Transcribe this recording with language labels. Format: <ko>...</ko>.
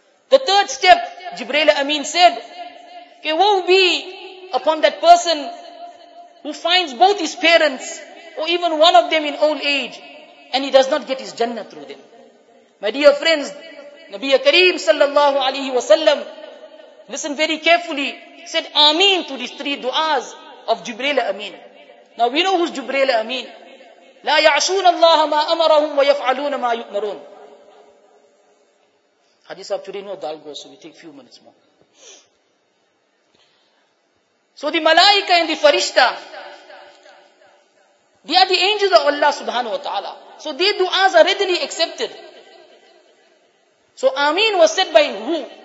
<en>The third step, Jibreel Amin said, okay, woe be upon that person who finds both his parents or even one of them in old age and he does not get his jannah through them. My dear friends, Nabi Kareem sallallahu alayhi wa sallam, listen very carefully, said Ameen to these three du'as of Jibreel Ameen. Now we know who's Jibreel Ameen.</en> <ar>لا يعصون الله ما أمرهم ويفعلون ما يؤمرون.</ar> <en>Hadith of Turin or Dalgo, so we take a few minutes more. So the malaika and the farishta, they are the angels of Allah subhanahu wa ta'ala. So their du'as are readily accepted. So Ameen was said by who?</en>